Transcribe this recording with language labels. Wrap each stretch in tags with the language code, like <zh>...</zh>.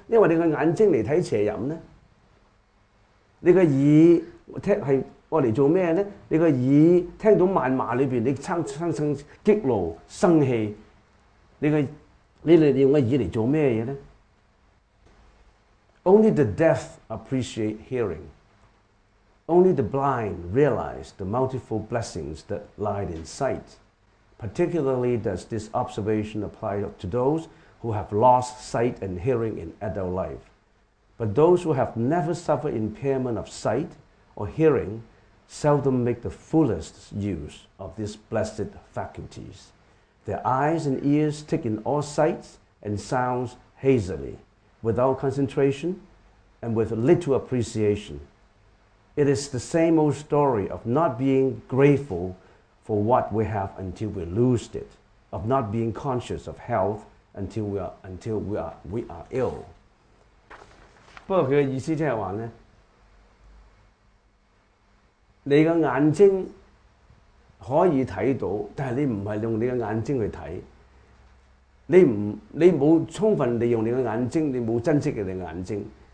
<zh>因為你的眼睛來看邪淫呢？你的耳聽是用來做什麼呢？你的耳聽到漫罵裡面，你生激怒生氣，你用的耳來做什麼呢？</zh> <en>Only the deaf appreciate hearing. Only the blind realize the multiple blessings that lie in sight. Particularly does this observation apply to those who have lost sight and hearing in adult life. But those who have never suffered impairment of sightor hearing, seldom make the fullest use of these blessed faculties. Their eyes and ears take in all sights and sounds hazily, without concentration and with little appreciation. It is the same old story of not being grateful for what we have until we lose it, of not being conscious of health until we are ill.</en> <zh>不过他的意思就是说呢，你的眼睛可以看到，但是你不是用你的眼睛去看，你没有充分利用你的眼睛，你没有珍惜你的眼睛。</zh>